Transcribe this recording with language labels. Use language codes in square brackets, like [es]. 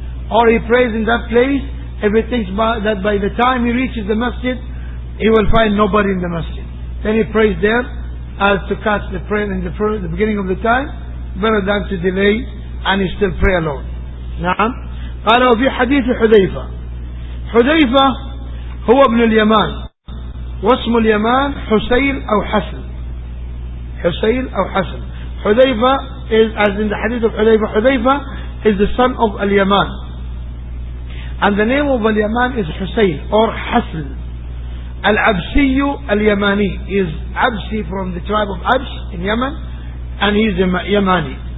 [en] Or he prays in that place if he thinks that by the time he reaches the masjid he will find nobody in the masjid. Then he prays there as to catch the prayer in the beginning of the time better than to delay and he still pray alone. [ar] نعم. قال وفي حديث حذيفة. حذيفة هو ابن اليمان واسم اليمان حسيل أو حسن. حسيل أو حسن. [en] حذيفة is as in the hadith of حذيفة. حذيفة is the son of اليمان. And the name of اليمان is حسين or حسن. العبسي اليماني is عبسي from the tribe of عبس in Yemen and he is يماني.